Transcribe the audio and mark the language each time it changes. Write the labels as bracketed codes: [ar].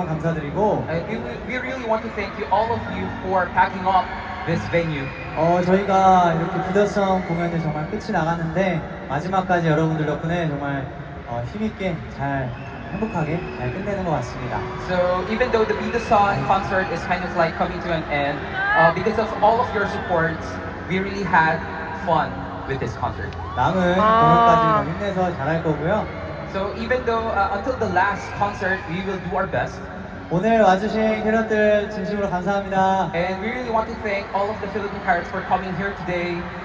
[en] We really want to thank you, all of you, for packing up this venue. [ko] 저희가 이렇게 부더성 공연이 정말 끝이 나갔는데 마지막까지 여러분들 덕분에 정말 힘있게 잘 행복하게 잘 끝내는 것 같습니다. [en] So even though the Bulacan concert is kind of like coming to an end, because of all of your support, we really had fun with this concert. [ko] 남은 공연까지 힘내서 잘할 거고요. [en] So even though until the last concert, we will do our best. [ko] 오늘 와주신 캐럿들 진심으로 감사합니다. [en] And we really want to thank all of the Philippine Pirates for coming here today.